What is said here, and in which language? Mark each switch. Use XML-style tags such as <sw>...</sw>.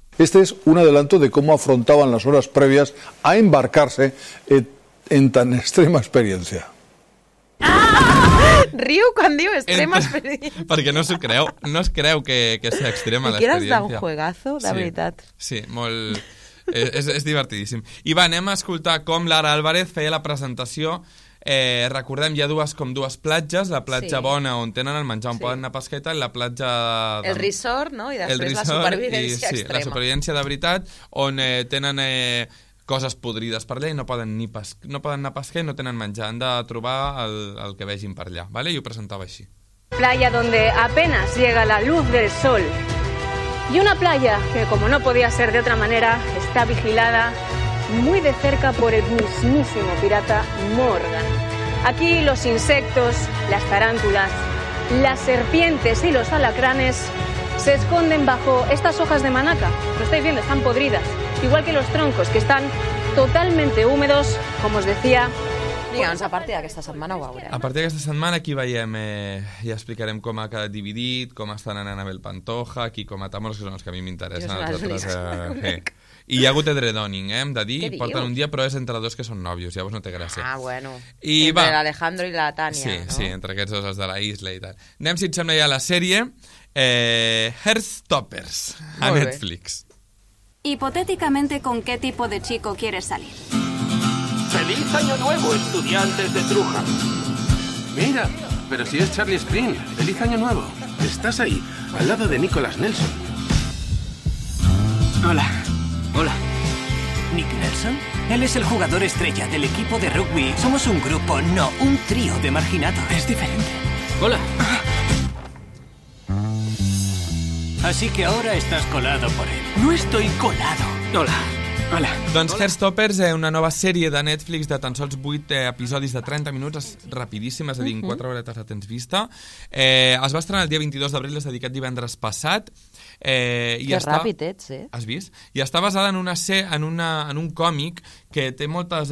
<es>Este es un adelanto de cómo afrontaban las horas previas a embarcarse en tan extrema experiencia.</es> <ca>Riu quan diu extrema experiència. Perquè no s'ho creu. No es creu que sigui extrema l'experiència.</ca> <es>Piqueras da un juegazo,</es> <ca>de veritat. Sí, molt... És divertidíssim. I va, anem a escoltar com l'Ara Álvarez feia la presentació. Recordem, hi ha dues, com dues platges, la platja sí. Bona, on tenen el menjar, on sí. poden anar a pesqueta, i la platja... De... El resort, no? I després resort, la supervivència i, sí, extrema. La supervivència de veritat, on tenen coses podrides per allà i no poden, ni no poden anar a pesquer, no tenen menjar, han de trobar el que vegin per allà, ¿vale? I ho presentava així.</ca> <es>Playa donde apenas llega la luz del sol. Y una playa que, como no podía ser de otra manera, está vigilada muy de cerca por el mismísimo pirata Morgan. Aquí los insectos, las tarántulas, las serpientes y los alacranes se esconden bajo estas hojas de manaca. Lo estáis viendo, están podridas. Igual que los troncos, que están totalmente húmedos, como os decía...</es> <ca>Digue'ns, a partir d'aquesta setmana ho veurem. A partir d'aquesta setmana aquí veiem, ja explicarem com ha quedat dividit, com estan anant Abel Pantoja, aquí com a Tamor, que són els que a mi m'interessen. I hi ha hagut edredoning, hem de dir. Porten un dia, però és entre dos que són nòvios, llavors no té gràcia. Ah, bueno. I entre va. L'Alejandro i la Tània. Sí, no? Sí, entre aquests dos, els de la isla i tal. Anem, si et sembla, ja a la sèrie Heartstoppers, a molt Netflix. Bé.</ca> <es>Hipotéticamente, ¿con qué tipo de chico quieres salir? ¡Feliz año nuevo, estudiantes de Truja! Mira, pero si es Charlie Spin, ¡feliz año nuevo! Estás ahí, al lado de Nicholas Nelson. Hola. Hola. ¿Nick Nelson? Él es el jugador estrella del equipo de rugby. Somos un grupo, no, un trío de marginados. Es diferente. Hola. Así que ahora estás colado por él. No estoy colado. Hola. Hola.</es> <ca>Doncs Heartstoppers, una nova sèrie de Netflix de tan sols 8 episodis de 30 minuts, és rapidíssim, és a dir, en 4 horetes la tens vista. Es va estrenar el dia 22 d'abril, és dedicat divendres passat. Que està, ràpid ets, eh? Has vist? I està basada en una en un còmic que té moltes...</ca>